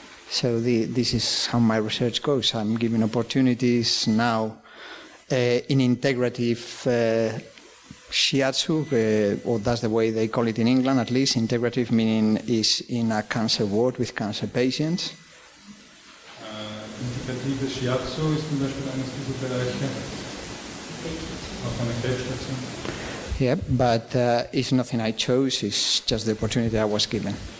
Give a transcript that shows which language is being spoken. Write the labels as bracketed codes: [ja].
[en] So this is how my research goes. I'm given opportunities now in integrative Shiatsu, or that's the way they call it in England, at least. Integrative meaning is in a cancer ward with cancer patients. [de] Integrative Shiatsu is zum Beispiel eines dieser Bereiche. Auch eine Krebsstation. [en] Yeah, but it's nothing I chose, it's just the opportunity I was given.